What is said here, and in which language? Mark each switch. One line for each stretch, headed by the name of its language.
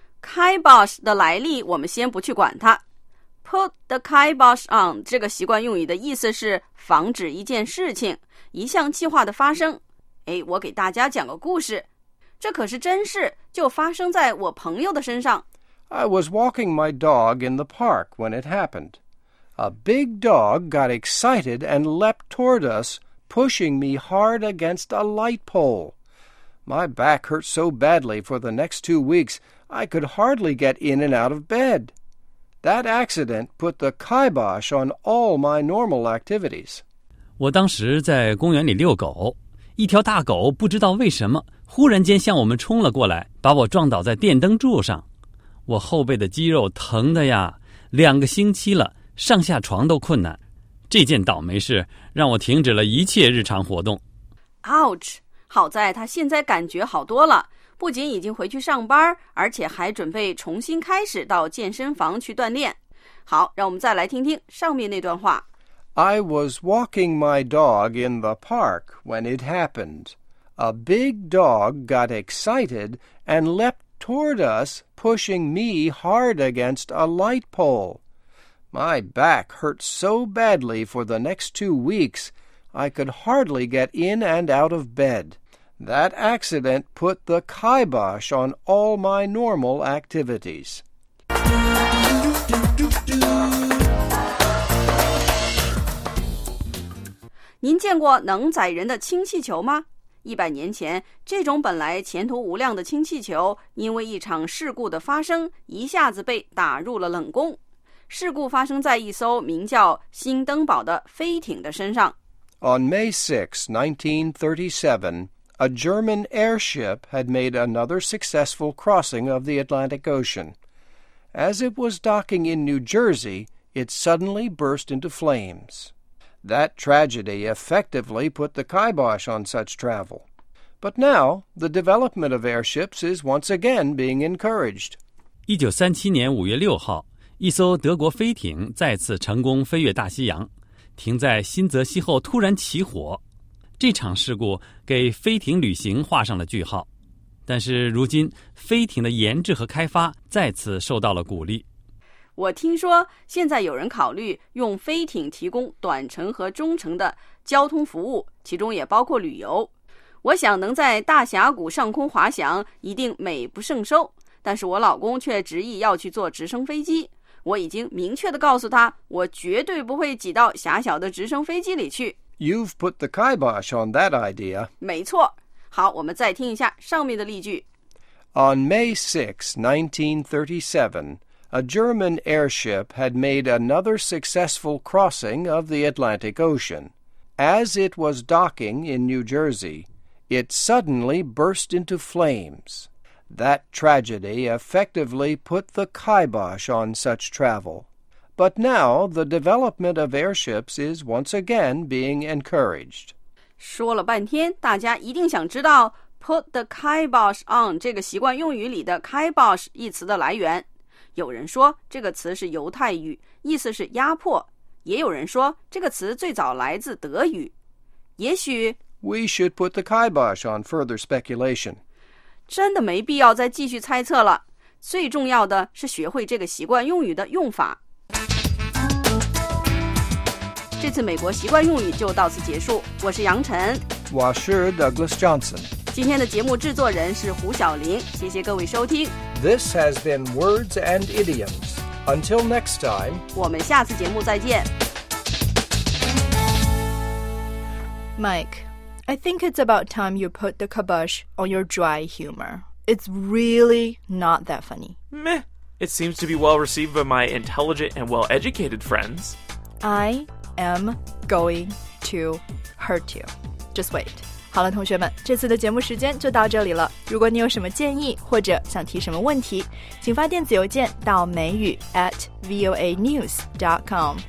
Chinese: Kibosh 的来历我们先不去管它。
English: Put the kibosh on
Chinese: 这个习惯用语的意思是防止一件事情、一项计划的发生。哎，我给大家讲个故事，这可是真事，就发生在我朋友的身上。
English: I was walking my dog in the park when it happened. A big dog got excited and leapt toward us, pushing me hard against a light pole. My back hurt so badly for the next 2 weeks, I could hardly get in and out of bed. That accident put the kibosh on all my normal activities.
Chinese: 我当时在公园里遛狗，一条大狗不知道为什么，忽然间向我们冲了过来，把我撞倒在电灯柱上。我后背的肌肉疼的呀，两个星期了，上下床都困难。这件倒霉事让我停止了一切日常活动。
English: Ouch！
Chinese: 好在他现在感觉好多了，不仅已经回去上班，而且还准备重新开始到健身房去锻炼。好，让我们再来听听上面那段话。
English: I was walking my dog in the park when it happened. A big dog got excited and leapt toward us, pushing me hard against a light pole. My back hurt so badly for the next 2 weeks, I could hardly get in and out of bed. That accident put the kibosh on all my normal activities.
Chinese: 您见过能载人的氢气球吗？100年前，这种本来前途无量的氢气球，因为一场事故的发生，一下子被打入了冷宫。事故发生在一艘名叫“新登堡”的飞艇的身上。
English: On May 6, 1937, a German airship had made another successful crossing of the Atlantic Ocean. As it was docking in New Jersey, it suddenly burst into flames. That tragedy effectively put the kibosh on such travel. But now, the development of airships is once again being encouraged.
Chinese: 1937年5月6号，一艘德国飞艇再次成功飞越大西洋，停在新泽西后突然起火。这场事故给飞艇旅行画上了句号。但是如今，飞艇的研制和开发再次受到了鼓励。我听说现在有人考虑用飞艇提供短程和中程的交通服务，其中也包括旅游。我想能在大峡谷上空滑翔一定美不胜收，但是我老公却执意要去坐直升飞机。我已经明确地告诉他，我绝对不会挤到狭小的直升飞机里去。
English: You've put the kibosh on that idea.
Chinese: 没错。好，我们再听一下上面的例句。
English: On May 6, 1937,A German airship had made another successful crossing of the Atlantic Ocean. As it was docking in New Jersey, it suddenly burst into flames. That tragedy effectively put the kibosh on such travel. But now the development of airships is once again being encouraged.
Chinese: 说了半天，大家一定想知道
English: put the kibosh on
Chinese: 这个习惯用语里的 kibosh 一词的来源。有人说这个词是犹太语，意思是压迫，也有人说这个词最早来自德语。也许
English: We should put the kibosh on further speculation.
Chinese: 真的没必要再继续猜测了，最重要的是学会这个习惯用语的用法。这次美国习惯用语就到此结束，我是杨晨，我是 Douglas Johnson。今天的节目制作人是胡晓玲，谢谢各位收听。
English: This has been Words and Idioms. Until next time,
Chinese: 我们下次节目再见。
English: Mike, I think it's about time you put the kibosh on your dry humor. It's really not that funny. Meh, it seems to be well received by my intelligent and well-educated friends. I am going to hurt you. Just wait.
Chinese: 好了，同学们，这次的节目时间就到这里了。如果你有什么建议或者想提什么问题，请发电子邮件到美语@voanews.com.